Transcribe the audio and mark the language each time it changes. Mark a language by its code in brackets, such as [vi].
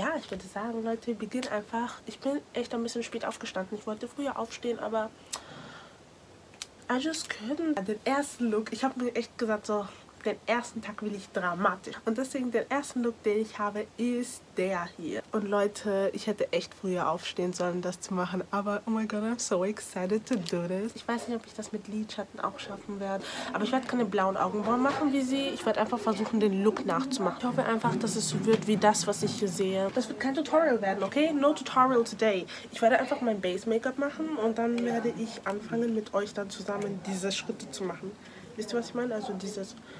[de] Ja, ich würde sagen, Leute, beginn einfach. Ich bin echt ein bisschen spät aufgestanden. Ich wollte früher aufstehen, aber [en] I just couldn't. [de] Den ersten Look, ich habe mir echt gesagt, so den ersten Tag will ich dramatisch. Und deswegen der erste Look, den ich habe, ist der hier. Und Leute, ich hätte echt früher aufstehen sollen, das zu machen. [en] Aber oh my god, I'm so excited to do this. [de] Ich weiß nicht, ob ich das mit Lidschatten auch schaffen werde. Aber ich werde keine blauen Augenbrauen machen wie sie. Ich werde einfach versuchen, den Look nachzumachen. Ich hoffe einfach, dass es so wird wie das, was ich hier sehe. Das wird kein Tutorial werden, okay? [en] No tutorial today. [de] Ich werde einfach mein Base-Make-up machen und dann werde ich anfangen, mit euch dann zusammen diese Schritte zu machen. Wisst ihr, was ich meine? Also dieses...